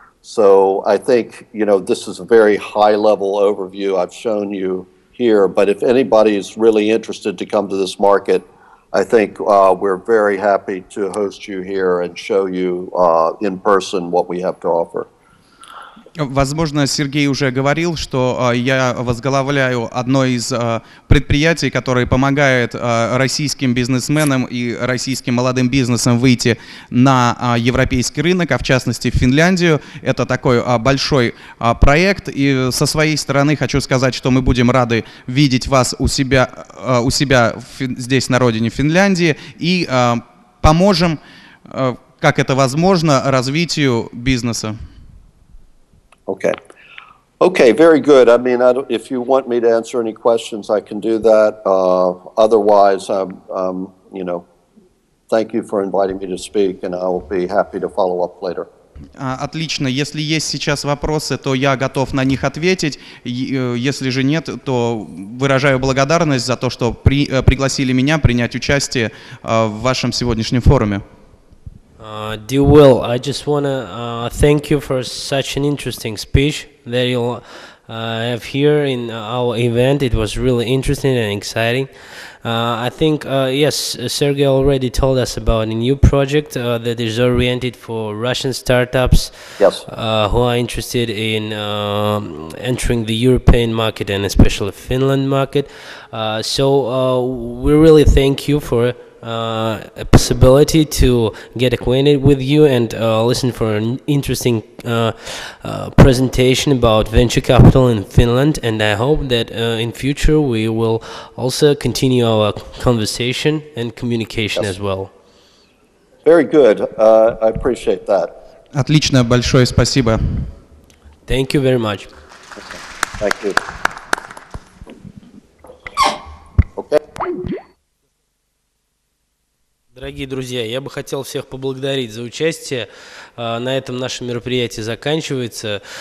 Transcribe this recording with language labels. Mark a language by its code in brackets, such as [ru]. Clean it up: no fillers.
[en] So I think, you know, this is a very high-level overview I've shown you here, but if anybody is really interested to come to this market, I think we're very happy to host you here and show you in person what we have to offer. [ru] Возможно, Сергей уже говорил, что я возглавляю одно из предприятий, которое помогает российским бизнесменам и российским молодым бизнесам выйти на европейский рынок, а в частности в Финляндию. Это такой большой проект, и со своей стороны хочу сказать, что мы будем рады видеть вас у себя здесь на родине Финляндии и поможем, как это возможно, развитию бизнеса. [en] Okay. Okay, very good. I mean, if you want me to answer any questions, I can do that. Otherwise, you know, thank you for inviting me to speak, and I will be happy to follow up later. [ru] Отлично. Если есть сейчас вопросы, то я готов на них ответить. Если же нет, то выражаю благодарность за то, что пригласили меня принять участие в вашем сегодняшнем форуме. [en] Dear Will, I just want to thank you for such an interesting speech that you have here in our event. It was really interesting and exciting. I think, yes, Sergey already told us about a new project that is oriented for Russian startups. Yes. Who are interested in entering the European market and especially Finland market. So we really thank you for a possibility to get acquainted with you and listen for an interesting presentation about venture capital in Finland, and I hope that in future we will also continue our conversation and communication. Yes. As well. Very good. I appreciate that. [ru] Отлично, большое спасибо. [en] Thank you very much. Okay. Thank you. [ru] Дорогие друзья, я бы хотел всех поблагодарить за участие. На этом наше мероприятие заканчивается.